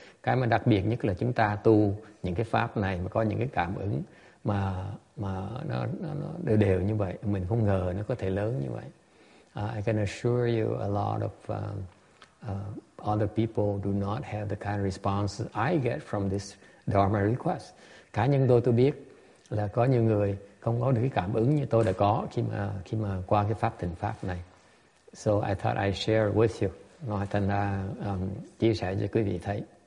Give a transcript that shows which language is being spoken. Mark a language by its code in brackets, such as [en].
[vi] Cái mà đặc biệt nhất là chúng ta tu những cái pháp này mà có những cái cảm ứng mà nó đều đều như vậy, mình không ngờ nó có thể lớn như vậy. [en] I can assure you a lot of other people do not have the kind of responses I get from this Dharma request. [vi] Cá nhân tôi biết là có nhiều người không có được cái cảm ứng như tôi đã có khi mà qua cái pháp thịnh pháp này. [en] So I thought I'd share with you. [vi] Nói thành ra chia sẻ cho quý vị thấy.